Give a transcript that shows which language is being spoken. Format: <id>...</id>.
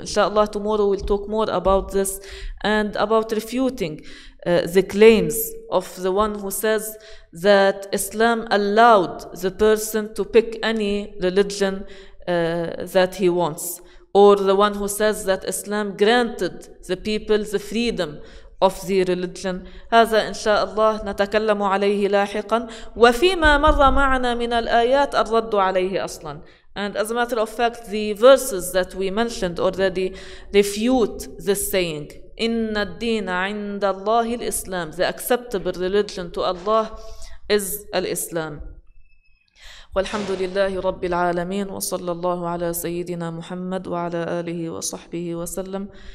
<ar>إن شاء الله</ar> <en>tomorrow we'll talk more about this and about refuting the claims of the one who says that Islam allowed the person to pick any religion that he wants, or the one who says that Islam granted the people the freedom of the religion.</en> <ar>هذا إن شاء الله نتكلم عليه لاحقا وفيما مر معنا من الآيات الرد عليه أصلا.</ar> <en>And as a matter of fact, the verses that we mentioned already refute this saying.</en> <ar>إن الدين عند الله الإسلام.</ar> <en>The acceptable religion to Allah is الإسلام.</en> <ar>والحمد لله رب العالمين وصلى الله على سيدنا محمد وعلى آله وصحبه وسلم.</ar>